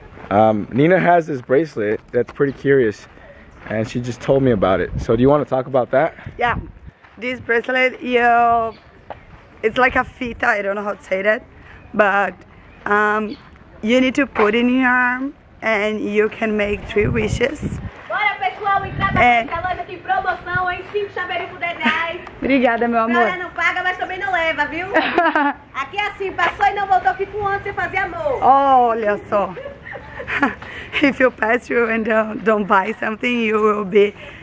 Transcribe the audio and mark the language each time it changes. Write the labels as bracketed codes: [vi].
[en] Nina has this bracelet that's pretty curious, and she just told me about it. So do you want to talk about that? Yeah, this bracelet, it's like a fita, I don't know how to say that, but you need to put in your arm and you can make 3 wishes. [pt] Bora, pessoal, entrar pra loja que promoção, hein? 5 chaveiros por 10 reais. Obrigada, meu amor. Galera, não paga, mas também não leva, viu? Aqui é assim, passou e não voltou, fica um ano sem fazer amor. Olha só. [en] If you pass through and don't buy something, you will be...